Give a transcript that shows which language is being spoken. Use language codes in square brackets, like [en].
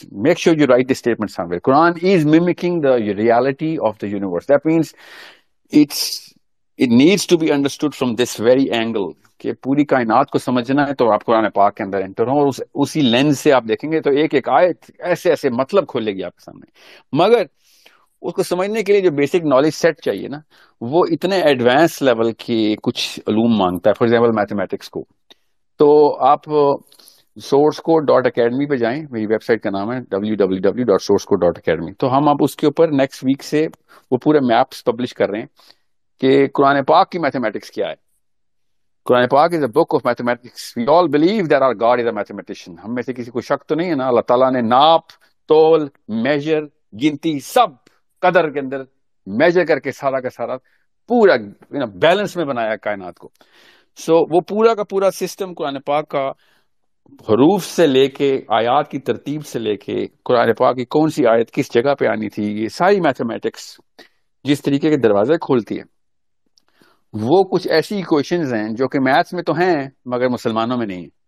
[en] Make sure you write the statement somewhere, Quran is mimicking the reality of the universe. That means it needs to be understood from this very angle, [ur] کہ پوری کائنات کو سمجھنا ہے تو آپ قرآن پاک کے اندر انٹر ہوں, اور اسی لینس سے آپ دیکھیں گے تو ایک ایک آیت ایسے ایسے مطلب کھولے گی آپ کے سامنے. مگر اس کو سمجھنے کے لیے جو بیسک نالج سیٹ چاہیے نا, وہ اتنے ایڈوانس لیول کے کچھ علوم مانگتا ہے, [en] for example [ur] میتھمیٹکس کو. تو آپ سورس کوڈ ڈاٹ اکیڈمی پہ جائیں, میری ویب سائٹ کا نام ہے www.sourcecode.academy. تو ہم آپ اس کے اوپر نیکسٹ ویک سے وہ پورے میپس پبلش کر رہے ہیں کہ قرآن پاک کی میتھمیٹکس کیا ہے. [en] قرآن پاک از اے book of mathematics, we all believe that are God is a mathematician. [ur] ہم میں سے کسی کو شک تو نہیں ہے نا, اللہ تعالیٰ نے ناپ تول میجر گنتی سب قدر کے اندر میجر کر کے سارا کا سارا پورا بیلنس میں بنایا کائنات کو. سو وہ پورا کا پورا سسٹم قرآن پاک کا حروف سے لے کے آیات کی ترتیب سے لے کے قرآن پاک کی کون سی آیت کس جگہ پہ آنی تھی, یہ ساری میتھمیٹکس جس طریقے کے دروازے کھولتی ہے, وہ کچھ ایسی ایکویشنز ہیں جو کہ میتھس میں تو ہیں مگر مسلمانوں میں نہیں.